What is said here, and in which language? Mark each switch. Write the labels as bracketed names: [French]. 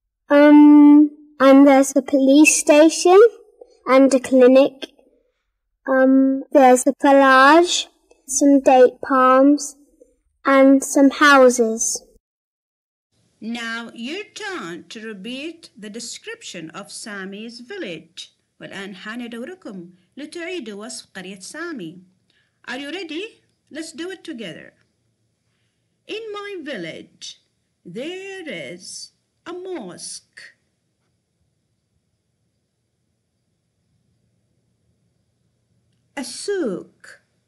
[English] And there's a police station and a clinic. There's a garage, some date palms, and some houses. Now, your turn to repeat the description of Sami's village. [Arabic] والآن حان دوركم لتعيدوا وصف قرية سامي. [English] Are you ready? Let's do it together. In my village, there is a mosque. A souk.